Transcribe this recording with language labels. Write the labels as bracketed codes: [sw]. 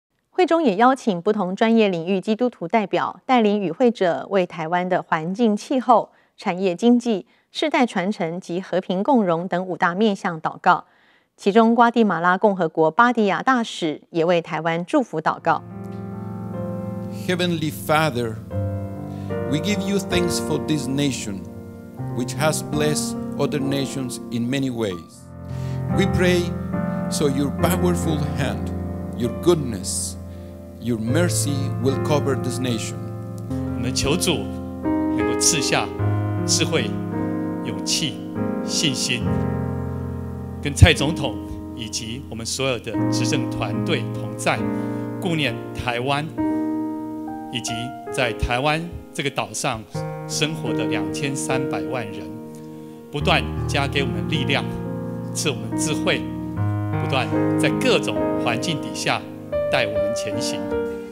[zh] 会中也邀请不同专业领域基督徒代表带领与会者，为台湾的环境、气候、产业、经济、世代传承及和平共荣等5大面向祷告。其中瓜地马拉共和国巴迪亚大使也为台湾祝福祷告。 [en] Heavenly Father, we give you thanks for this nation which has blessed other nations in many ways. We pray so your powerful hand, your goodness, your mercy will cover this nation. [zh] 我们求主能够赐下智慧、勇气、信心，跟蔡总统以及我们所有的执政团队同在，顾念台湾以及在台湾这个岛上生活的2300万人，不断加给我们力量，赐我们智慧，不断在各种环境底下带我们前行。